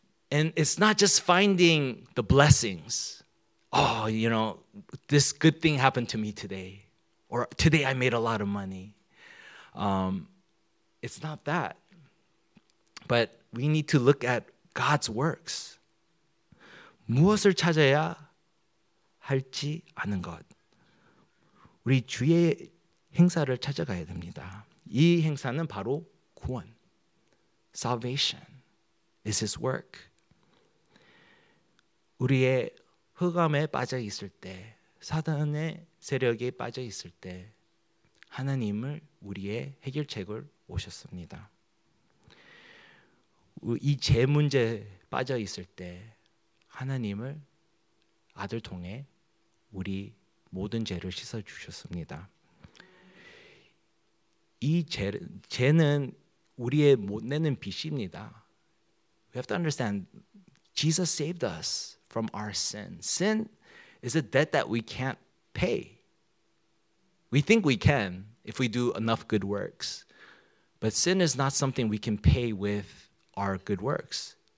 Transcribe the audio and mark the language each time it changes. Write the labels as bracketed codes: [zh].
[en] And it's not just finding the blessings. Oh, you know, this good thing happened to me today. Or today I made a lot of money. It's not that. But we need to look at God's works. [ko] 무엇을 찾아야 할지 아는 것. 우리 주의 행사를 찾아가야 됩니다. 이 행사는 바로 구원. [en] Salvation is His work. [ko] 우리의 흑암에 빠져 있을 때, 사단의 세력에 빠져 있을 때, 하나님을 우리의 해결책을 오셨습니다. 이 죄 문제에 빠져 있을 때, 하나님을 아들 통해 우리 모든 죄를 씻어 주셨습니다. 이 죄는 우리의 못 내는 빚입니다. [en] We have to understand, Jesus saved us from our sin. Sin is a debt that we can't pay. We think we can if we do enough good works. But sin is not something we can pay with our good works.